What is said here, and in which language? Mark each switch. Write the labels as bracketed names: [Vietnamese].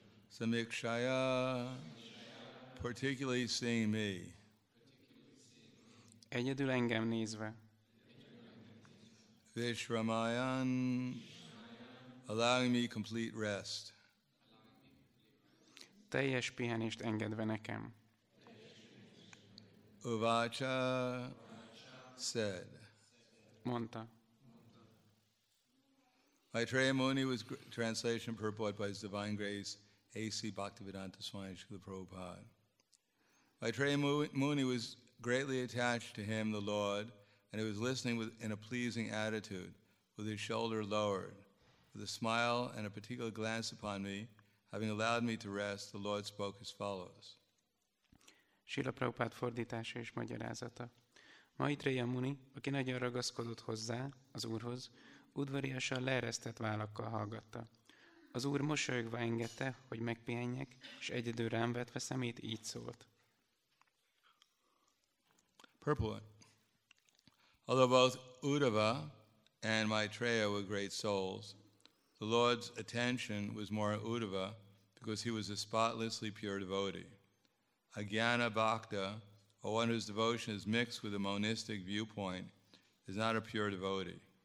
[English] Samikshaya particularly seeing me. [Hungarian] Egyedül engem nézve. [English] Vishramayan, allowing me complete rest. [Hungarian] Teljes pihenést engedve nekem. [English] Uvacha said. [Hungarian] Mondta. [English] Maitreya Muni was translation purport by His Divine Grace A.C. Bhaktivedanta Swami Srila Prabhupada. Maitreya Muni was greatly attached to him, the Lord, and he was listening with, in a pleasing attitude, with his shoulder lowered, with a smile and a particular glance upon me, having allowed me to rest, the Lord spoke as follows. [Hungarian] Srila Prabhupada fordítása és magyarázata. Maitreya Muni, aki nagyon ragaszkodott hozzá, az Úrhoz, udvariasan leeresztett vállakkal hallgatta. Az Úr mosolyogva engedte, hogy megpihenjek, és egyedül rám vetve szemét így szólt. [English] Purport. Although both Uddhava and Maitreya were great souls, the Lord's attention was more on Uddhava because he was a spotlessly pure devotee. A jnana bhakta, or one whose devotion is mixed with a monistic viewpoint, is not a pure devotee.